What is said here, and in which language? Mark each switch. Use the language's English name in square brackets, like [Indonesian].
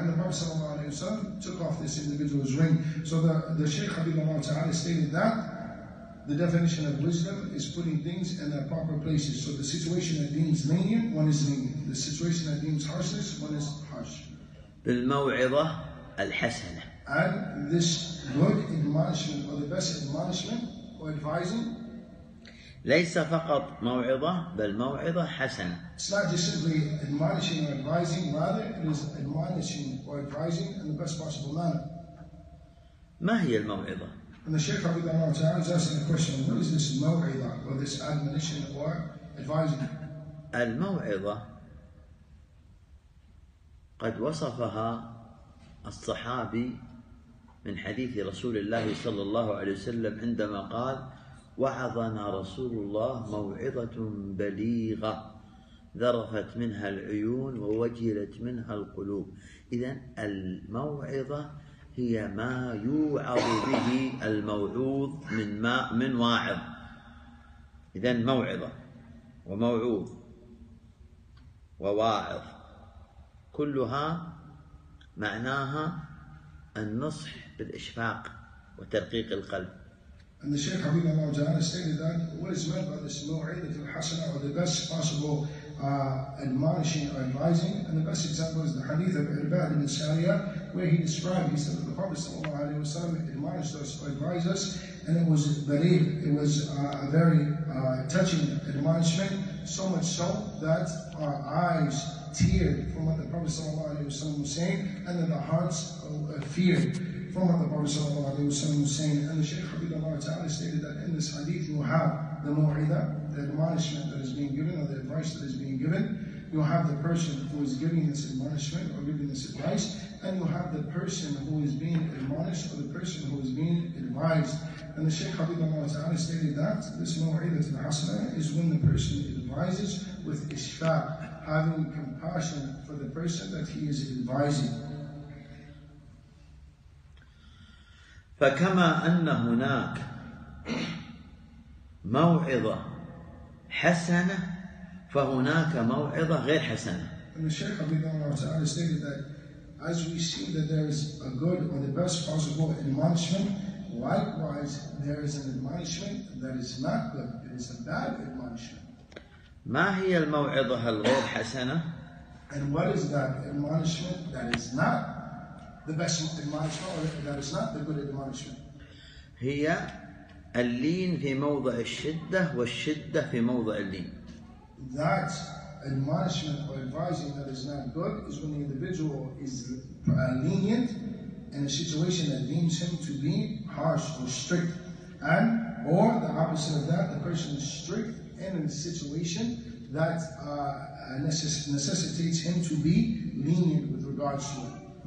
[English] And the Prophet sallallahu alaihi wasallam took off this individual's ring. So the Shaykh Habibullah Ta'ala stated that the definition of wisdom is putting things in their proper places. So the situation that deems lenient, one is lenient. The situation that deems harshness, one is harsh. [Arabic] بالموعظة الحسنة. [English] And this good admonishment, or the best admonishment, or advising, [Arabic] ليس فقط موعظة بل موعظة حسنة. [English] It's not just simply admonishing or advising, rather it is admonishing or advising in the best possible manner. [Arabic] ما هي الموعظة؟ [English] And the Shaykh Rabbi Ta'ala is asking the question, what is this [Arabic] موعظة, [English] or this admonition, or advising? [Arabic] الموعظة قد وصفها الصحابي من حديث رسول الله صلى الله عليه وسلم عندما قال وعظنا رسول الله موعظة بليغة ذرفت منها العيون ووجلت منها القلوب. إذن الموعظة هي ما يوعظ به الموعوظ من ما من واعظ. إذن موعظة وموعوظ وواعظ كلها معناها النصح بالإشفاق وترقيق القلب. [English] And the Shaykh Habibullah Allah Ta'ala stated that what is meant by this maw'idat al-hasana, or the best possible admonishing or advising, and the best example is the hadith of Irbad ibn Sariyah, where he described, he said that the Prophet sallallahu alayhi wa sallam admonished us or advised us, and it was bareed, it was a very touching admonishment, so much so that our eyes teared from what the Prophet sallallahu alayhi wa sallam was saying, and that the hearts feared from what the Prophet sallallahu alayhi wa sallam was saying. And the Shaykh Habibullah Ta'ala stated that in this hadith you have the mu'idah, the admonishment that is being given, or the advice that is being given. You have the person who is giving this admonishment or giving this advice, and you have the person who is being admonished or the person who is being advised. And the Shaykh Habibullah Ta'ala stated that this mu'idah to the hasanah is when the person advises with ishfaq, having compassion for the person that he is advising. [Arabic] فكما أن هناك موعظة حسنة فهناك موعظة غير حسنة. [English] And the Shaykh Habibullah Ta'ala stated that as we see that there is a good or the best possible admonishment, likewise there is an admonishment that is not good, it is a bad admonishment. [Arabic] ما هي الموعظة الغير حسنة؟ [English] And what is that admonishment that is not the best admonishment, or that is not the good admonishment? [Arabic] هي اللين في موضع الشدة والشدة في موضع اللين. [English] That admonishment or advising that is not good is when the individual is lenient in a situation that deems him to be harsh or strict, and or the opposite of that, the person is strict imminent situation that necessitates him to be lenient with regards to it.